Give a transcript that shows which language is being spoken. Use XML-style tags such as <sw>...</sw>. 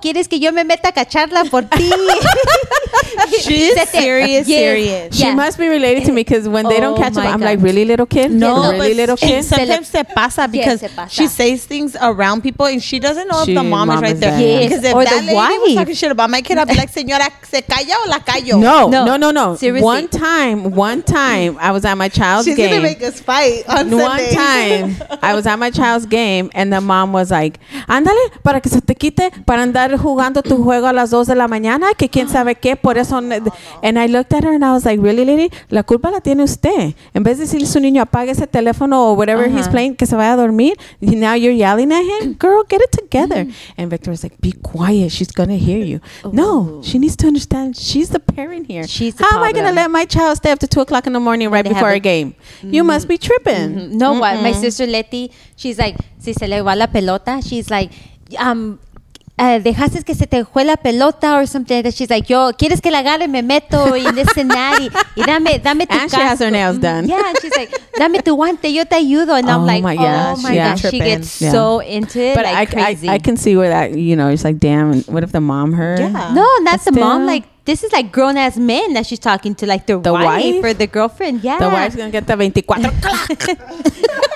<es>¿Quieres que yo me meta a cacharla por ti?</es> <en>She's serious. Yeah. She must be related to me because when they don't catch a ball, I'm like, really, little kid? No. Sometimes</en> <es>se pasa</es> <en>because she says things around people and she doesn't know if the mom is right there. Yes. Or the wife. Was talking shit about my kid, I'd be like,</en> <es>señora, ¿se calla o la callo?</es> <en>No. Seriously. One time, I was at my child's game. She's going to make us fight on Sunday. One time, I was at my child's game and the mom was like,</en> <es>ándale, para que se te quite, para andar jugando tu juego a las 2 de la mañana, que quién sabe qué, por eso.</es> <en>And I looked at her and I was like, really, lady?</en> <es>La culpa la tiene usted. En vez de decirle a su niño, apague ese teléfono</es> <en>or whatever he's playing,</en> <es>que se vaya a dormir.</es> <en>Now you're yelling at him. Girl, get it together. Mm-hmm. And Victor was like, be quiet. She's going to hear you. Ooh. No, she needs to understand she's the parent here. She's How am problem. I going to let my child stay up to 2 o'clock in the morning right before our game? Mm-hmm. You must be tripping. Mm-hmm. No, what? My sister Leti, she's like,</en> <es>si se le va la pelota,</es> <en>she's like,</en> <es>dejaste que se te juegue la pelota</es> <en>or something like that. She's like,</en> <es>yo, quieres que la agarre, me meto y en ese nari y dame tu</es> <en>and</en> <es>casco.</es> <en>She has her nails done. Yeah, and she's like,</en> <es>dame tu guante, yo te ayudo.</es> <en>And oh my gosh, she gets so into it, but like crazy. I can see where that, you know, it's like, damn, what if the mom heard? Yeah. No, not the mom, like, this is like grown ass men that she's talking to, like the wife or the girlfriend. Yeah, the wife's gonna get the 24 o'clock.</en>